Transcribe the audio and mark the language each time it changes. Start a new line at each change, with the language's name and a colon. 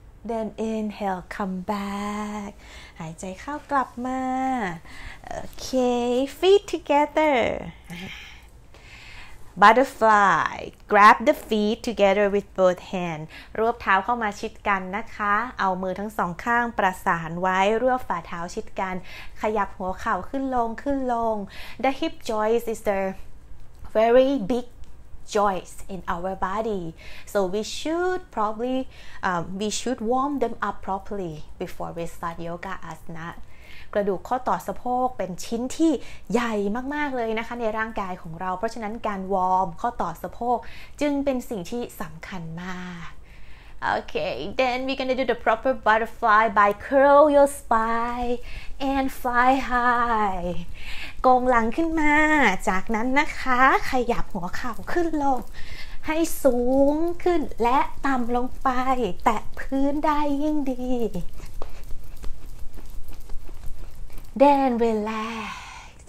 English: then inhale come back
Thai: หายใจเข้ากลับมา
English: okay feet togetherButterfly, grab the feet together with both hands.
Thai: รวบเท้าเข้ามาชิดกันนะคะเอามือทั้งสองข้างประสานไว้รวบฝ่าเท้าชิดกันขยับหัวเข่าขึ้นลงขึ้นลง
English: The hip joint is the very big joints in our body. So we should probably, we should warm them up properly before we start yoga asana.
Thai: กระดูกข้อต่อสะโพกเป็นชิ้นที่ใหญ่มากๆเลยนะคะในร่างกายของเราเพราะฉะนั้นการวอร์มข้อต่อสะโพกจึงเป็นสิ่งที่สำคัญมาก โอเค
English: then we're gonna do the proper butterfly by curl your spine and fly high
Thai: กงหลังขึ้นมาจากนั้นนะคะขยับหัวเข่าขึ้นลงให้สูงขึ้นและต่ำลงไปแตะพื้นได้ยิ่งดี
English: Then relax.